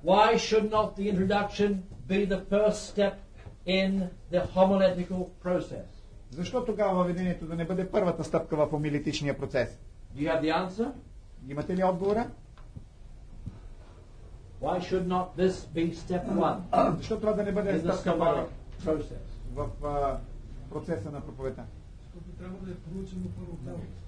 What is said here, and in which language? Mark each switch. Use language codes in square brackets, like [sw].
[en] why should not the introduction be the first step in the homiletical process? [bg] Защо тогава въведението да не бъде първата стъпка в омилитичния процес? [en] Do you have the answer? [bg] Имате ли отговора? [en] Why should not this be step one? [bg] Защо трябва да не бъде стъпка в процес? В процеса на проповета. Защото трябва да е проучено първо тялото.